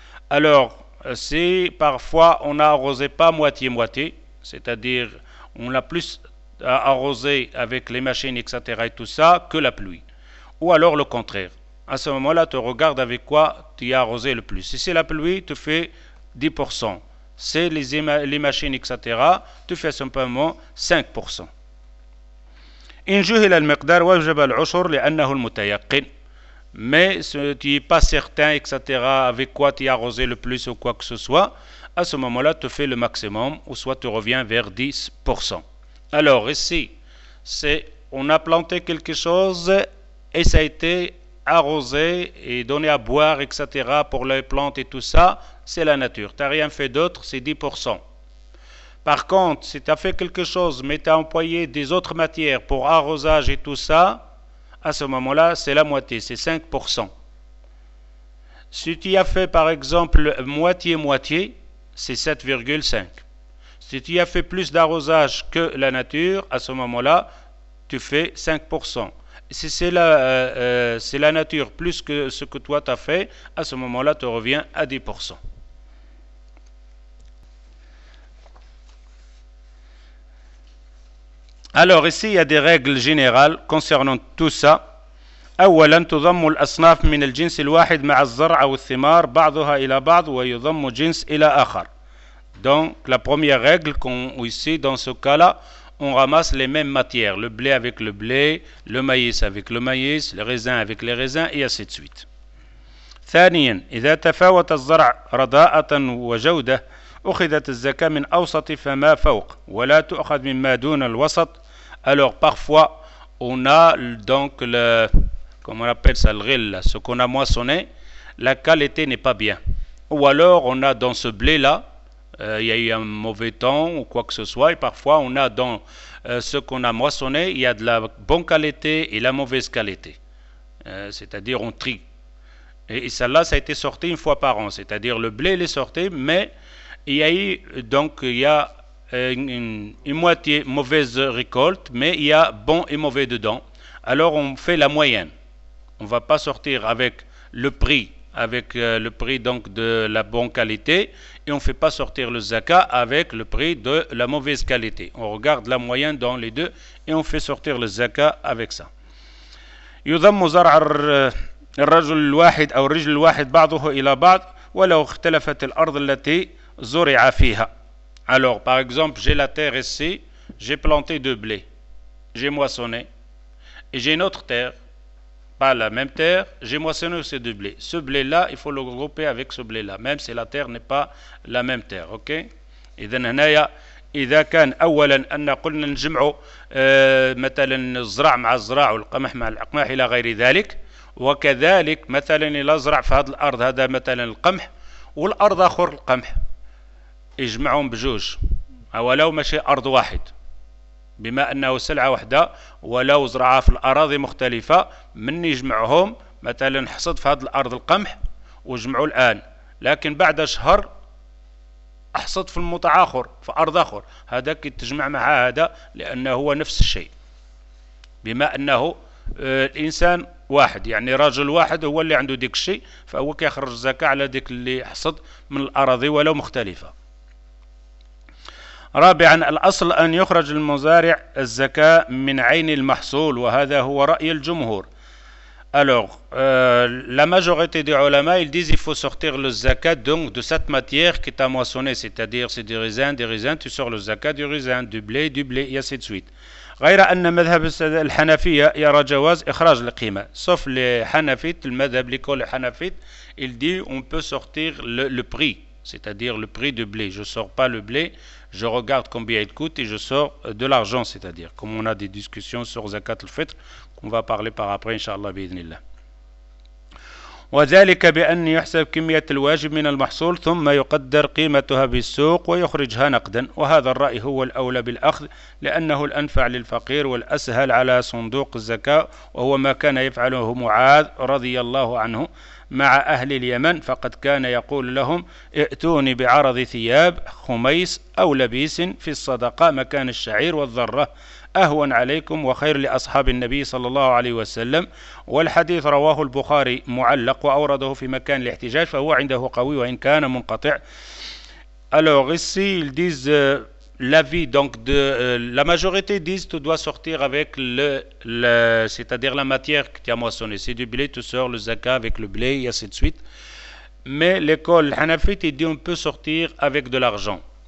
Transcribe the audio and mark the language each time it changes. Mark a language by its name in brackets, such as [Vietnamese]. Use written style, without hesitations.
[French] Alors, si parfois on n'a arrosé pas moitié-moitié, c'est-à-dire on a plus arrosé avec les machines, etc. et tout ça que la pluie, ou alors le contraire. À ce moment-là, tu regardes avec quoi tu as arrosé le plus. Si c'est la pluie, tu fais 10%. Si c'est les machines, etc., tu fais simplement 5%. [Arabic] إن جهل المقدار وجب العشر لأنه المتيقن. [French] Mais si tu n'es pas certain, etc., avec quoi tu as arrosé le plus ou quoi que ce soit, à ce moment-là, tu fais le maximum ou soit tu reviens vers 10%. Alors ici, c'est on a planté quelque chose et ça a été arroser et donner à boire, etc., pour les plantes et tout ça, c'est la nature. Tu n'as rien fait d'autre, c'est 10%. Par contre, si tu as fait quelque chose, mais tu as employé des autres matières pour arrosage et tout ça, à ce moment-là, c'est la moitié, c'est 5%. Si tu as fait, par exemple, moitié-moitié, c'est 7,5. Si tu as fait plus d'arrosage que la nature, à ce moment-là, tu fais 5%. Si c'est la nature plus que ce que toi t'as fait, à ce moment-là, tu reviens à 10%. Alors ici, il y a des règles générales concernant tout ça. [Arabic] أولا تضم الأصناف من الجنس الواحد مع الزرع أو الثمار بعضها إلى بعض ويضم جنس إلى آخر. [French] Donc la première règle qu'on ici dans ce cas-là. On ramasse les mêmes matières, le blé avec le blé, le maïs avec le maïs, le raisin avec les raisins, et ainsi de suite. [Arabic] ثانيا إذا تفاوت الزرع رضاءة وجودة أخذت الزكاة من أوسط فما فوق ولا تؤخذ مما دون الوسط. [French] Alors parfois on a donc le, comment on appelle ça, le ghil, ce qu'on a moissonné, la qualité n'est pas bien. Ou alors on a dans ce blé là il y a eu un mauvais temps ou quoi que ce soit, et parfois on a dans ce qu'on a moissonné, il y a de la bonne qualité et la mauvaise qualité. C'est-à-dire on trie. Et celle-là, ça a été sorti une fois par an. C'est-à-dire le blé, il est sorti, mais il y a eu donc il y a une moitié mauvaise récolte, mais il y a bon et mauvais dedans. Alors on fait la moyenne. On ne va pas sortir avec le prix. Avec le prix donc de la bonne qualité, et on ne fait pas sortir le zaka avec le prix de la mauvaise qualité. On regarde la moyenne dans les deux et on fait sortir le zaka avec ça. [Arabic] يضم زرع الرجل الواحد أو الرجل الواحد بعضه إلى بعض ولو اختلفت الأرض التي زرع فيها. [French] Alors, par exemple, j'ai la terre ici, j'ai planté de blé, j'ai moissonné, et j'ai une autre terre. Pas la même terre, j'ai moissonné aussi du blé. Ce blé-là, il faut le regrouper avec ce blé-là, même si la terre n'est pas la même terre. Ok? [Arabic] إذن هنايا إذا كان أولا أن قلنا نجمع مثلا الزرع مع الزرع والقمح مع القمح إلى غير ذلك وكذلك مثلا إلى زرع في هذه الأرض هذا مثلا القمح والأرض أخر القمح يجمعهم بجوج ولو ماشي أرض واحد بما أنه سلعة واحدة ولو زرعها في الأراضي مختلفة، من يجمعهم مثلا حصد في هذه الأرض القمح وجمعوا الآن، لكن بعد شهر أحصد في المتعاخر في أرض أخر، هذا كيتجمع مع هذا لأنه هو نفس الشيء، بما أنه الإنسان واحد، يعني رجل واحد هو اللي عنده ديك الشيء، فهو كيخرج الزكاة على ديك اللي حصد من الأراضي ولو مختلفة. رابعا، الأصل أن يخرج المزارع الزكاة من عين المحصول، وهذا هو رأي الجمهور. [French] Alors, la majorité des ulama, ils disent qu'il faut sortir le zakat donc de cette matière qui t'a moissonné, c'est-à-dire c'est des raisins, tu sors le zakat du blé, et ainsi de suite. [Arabic] غير أن مذهب الحنفية يرى جواز إخراج القيمة. [French] Sauf les Hanafit, le madhab, l'école Hanafit, il dit on peut sortir le prix, c'est-à-dire le prix du blé. Je ne sors pas le blé, je regarde combien il coûte et je sors de l'argent, c'est-à-dire. Comme on a des discussions sur zakat al-fitr, on va parler par après, inshallah, bi-idhnillah. [Arabic] وذلك بأن يحسب كمية الواجب من المحصول ثم يقدر قيمتها بالسوق ويخرجها نقدا، وهذا الرأي هو الأولى بالأخذ لأنه الأنفع للفقير والأسهل على صندوق الزكاة، وهو ما كان يفعله معاذ رضي الله عنه مع أهل اليمن، فقد كان يقول لهم ائتوني بعرض ثياب خميس أو لبيس في الصدقة مكان الشعير والذرة أهون عليكم وخير لأصحاب النبي صلى الله عليه وسلم. والحديث رواه البخاري معلق وأورده في مكان الاحتجاج، فهو عنده قوي وإن كان منقطع. [French] Alors ici ils disent l'avis donc de la majorité disent tu dois sortir avec le c'est-à-dire la matière que tu as moissonné, c'est du blé, tu sors le zakat avec le blé et ainsi de suite. Mais l'école Hanafit il dit on peut sortir avec de l'argent.